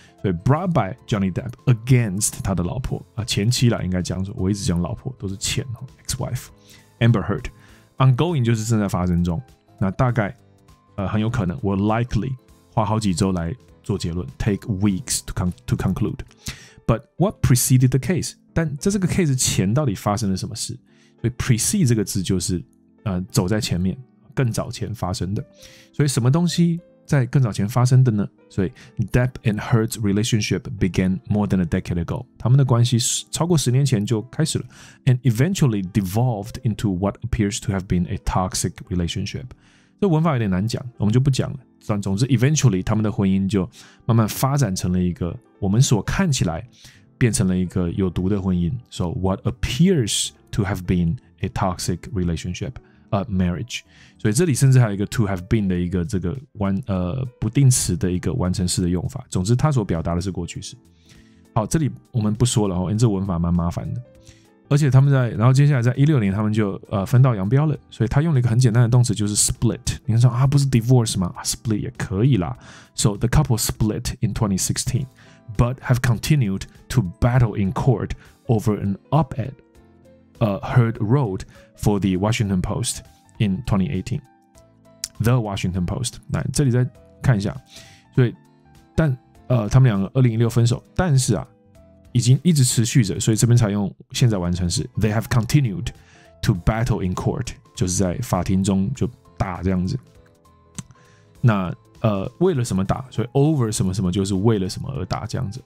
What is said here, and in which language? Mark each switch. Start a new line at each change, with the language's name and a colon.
Chinese: 所以
English: brought by Johnny Depp against
Chinese: 他的老婆、前妻啦，应该讲说，我一直讲老婆都是前、哦、
English: ex-wife Amber Heard，
Chinese: ongoing 就是正在发生中，那大概、很有可能
English: will likely
Chinese: 花好几周来做结论 ，
English: take weeks to conclude. But what preceded the case?
Chinese: 但在这个 case 前到底发生了什么事？所以 precede 这个字就是、走在前面，更早前发生的。所以什么东西在更早前发生的呢？
English: 所以 Depp and Heard's relationship began more than a decade ago.
Chinese: 他们的关系超过十年前就开始了
English: ，and eventually devolved into what appears to have been a toxic relationship.
Chinese: 这文法有点难讲，我们就不讲了。但总之 eventually 他们的婚姻就慢慢发展成了一个我们所看起来变成了一个有毒的婚姻。
English: So what appears to have been a toxic relationship a marriage，
Chinese: 所以这里甚至还有一个 to have been 的一个这个不定词的一个完成式的用法，总之他所表达的是过去式。好，这里我们不说了，因为这文法蛮麻烦的。而且他们在然后接下来在16年他们就、分道扬镳了，所以他用了一个很简单的动词就是 split。你看说啊，不是 divorce 吗、啊、split 也可以啦。
English: So the couple split in 2016 but have continued to battle in court over an op-ed Heard wrote for the Washington Post in 2018 The Washington Post。
Chinese: 来这里再看一下，所以但他们两个2016分手，但是啊一已经一直持续着，所以这边才用现在完成式
English: They have continued to battle in court，
Chinese: 就是在法庭中就打这样子。那为了什么打，所以 over 什么什么就是为了什么而打这样子。